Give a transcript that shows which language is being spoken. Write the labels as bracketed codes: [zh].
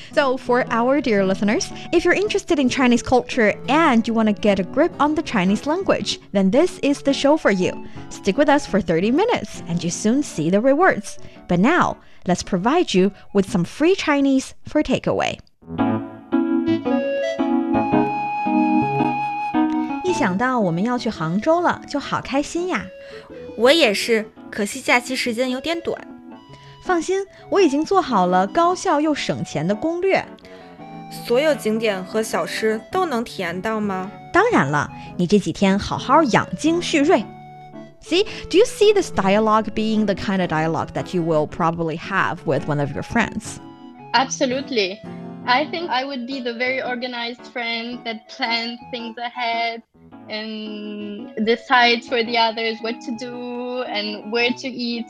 [en] So for our dear listeners, if you're interested in Chinese culture and you want to get a grip on the Chinese language, then this is the show for you. Stick with us for 30 minutes and you soon see the rewards. But now, let's provide you with some free Chinese for Takeaway. [zh] 想到我们要去杭州了，就好开心呀！我也是，可惜假期时间有点短。放心，我已经做好了高效又省钱的攻略。所有景点和小吃都能体验到吗？当然了，你这几天好好养精蓄锐。 [en] See, do you see this dialogue being the kind of dialogue that you will probably have with one of your friends? Absolutely. I think I would be the very organized friend that plans things ahead. And decides for the others what to do and where to eat.